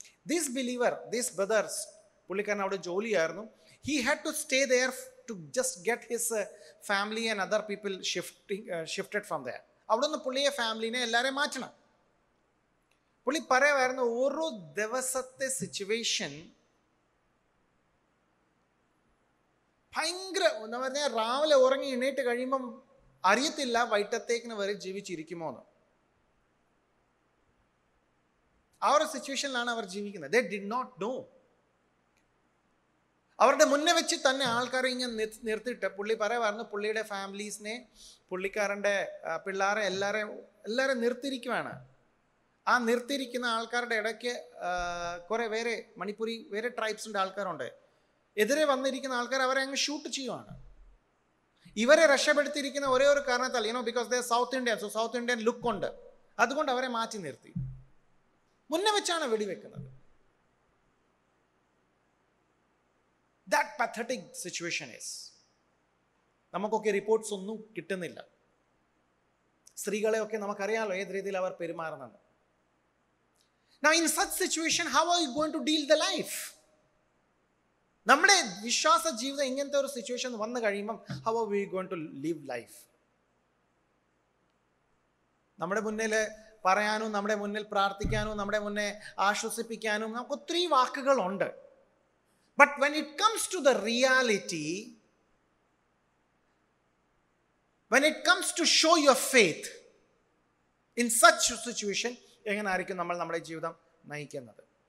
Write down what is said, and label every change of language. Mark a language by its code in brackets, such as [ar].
[en] This believer, this brothers [ml] pulikana avade joli aayirunnu, [en] he had to stay there to just get his family and other people shifted from there. [ml] അവിടെ നിന്ന് പുള്ളിയെ ഫാമിലിനെ എല്ലാവരെയും മാറ്റണം. പുള്ളി പറയുമായിരുന്നു, ഓരോ ദിവസത്തെ സിറ്റുവേഷൻ ഭയങ്കര, എന്താ പറഞ്ഞാൽ രാവിലെ ഉറങ്ങി എണീറ്റ് കഴിയുമ്പം അറിയത്തില്ല വൈകിട്ടത്തേക്കിന് വരെ ജീവിച്ചിരിക്കുമോന്ന്. ആ ഒരു സിറ്റുവേഷനിലാണ് അവർ ജീവിക്കുന്നത്. [en] They did not know. [ml] അവരുടെ മുന്നേ വെച്ച് തന്നെ ആൾക്കാരെ ഇങ്ങനെ നിർത്തിയിട്ട് പുള്ളി പറയുമായിരുന്നു, പുള്ളിയുടെ ഫാമിലീസിനെ, പുള്ളിക്കാരൻ്റെ പിള്ളേരെ എല്ലാവരെയും നിർത്തിയിരിക്കുവാണ്. ആ നിർത്തിയിരിക്കുന്ന ആൾക്കാരുടെ ഇടയ്ക്ക് കുറേ വേറെ മണിപ്പൂരി വേറെ ട്രൈബ്സിൻ്റെ ആൾക്കാരുണ്ട്. എതിരെ വന്നിരിക്കുന്ന ആൾക്കാർ അവരെ അങ്ങ് ഷൂട്ട് ചെയ്യുവാണ്. ഇവരെ രക്ഷപ്പെടുത്തിയിരിക്കുന്ന ഒരേ ഒരു കാരണത്താൽ, [en] you know, because they South Indian, so South Indian look [ml] ഉണ്ട്. അതുകൊണ്ട് അവരെ മാറ്റി നിർത്തി, മുന്നേ വെച്ചാണ് വെടിവെക്കുന്നത്. [en] That pathetic situation is. [ml] നമുക്കൊക്കെ റിപ്പോർട്ട്സ് ഒന്നും കിട്ടുന്നില്ല. സ്ത്രീകളെയൊക്കെ നമുക്കറിയാമല്ലോ ഏത് രീതിയിൽ അവർ പെരുമാറുന്നത്. [en] Now in such situation, how are you going to deal the life? [ml] നമ്മുടെ വിശ്വാസ ജീവിതം ഇങ്ങനത്തെ ഒരു സിറ്റുവേഷൻ വന്നു കഴിയുമ്പം [en] how are we going to live life? [ml] നമ്മുടെ മുന്നിൽ പറയാനും നമ്മുടെ മുന്നിൽ പ്രാർത്ഥിക്കാനും നമ്മുടെ മുന്നിൽ ആശ്വസിപ്പിക്കാനും നമുക്ക് ഒത്തിരി വാക്കുകളുണ്ട്. [en] But when it comes to the reality, when it comes to show your faith in such a situation, [ml] എങ്ങനെ ആയിരിക്കും നമ്മൾ നമ്മുടെ ജീവിതം നയിക്കുന്നത്?